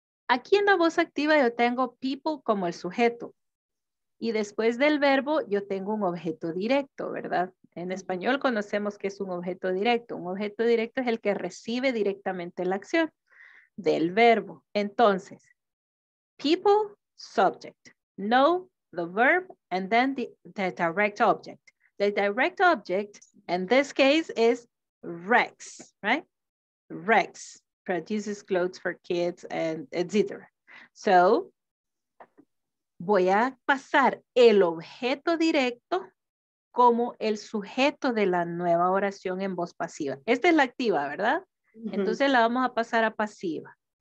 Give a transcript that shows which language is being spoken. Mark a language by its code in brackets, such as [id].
[es] Aquí en la voz activa yo tengo people como el sujeto. Y después del verbo yo tengo un objeto directo, ¿verdad? En español conocemos que es un objeto directo. Un objeto directo es el que recibe directamente la acción del verbo. [en] Entonces, people, subject. Know, the verb, and then the direct object. The direct object, in this case, is Rex, right? Rex produces clothes for kids and etc. [es] So, voy a pasar el objeto directo como el sujeto de la nueva oración en voz pasiva. Esta es la activa, ¿verdad? Uh-huh. Entonces la vamos a pasar a pasiva.